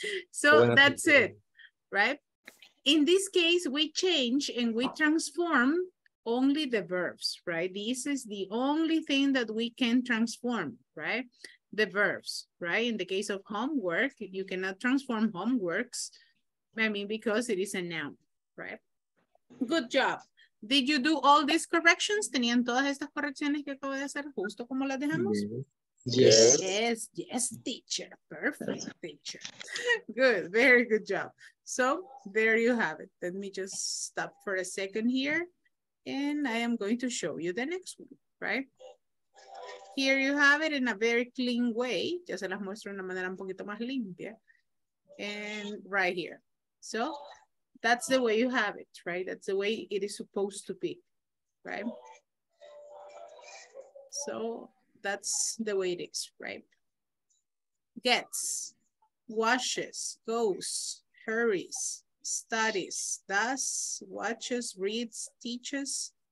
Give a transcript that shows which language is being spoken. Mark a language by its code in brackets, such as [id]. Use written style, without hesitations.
[en] So that's it, right? In this case, we change and we transform only the verbs, right? This is the only thing that we can transform, right? The verbs, right? In the case of homework, you cannot transform homeworks, I mean, because it is a noun, right? Good job. Did you do all these corrections? [es] ¿Tenían todas estas correcciones que acabo de hacer justo como las dejamos? [en] Yes, teacher. Perfect, teacher. Good, very good job. So there you have it. Let me just stop for a second here. And I am going to show you the next one, right? Here you have it in a very clean way. [es] Ya se las muestro de una manera un poquito más limpia. [en] And right here. So that's the way you have it, right? That's the way it is supposed to be, right? So that's the way it is, right? Gets, washes, goes, hurries, studies, does, watches, reads, teaches.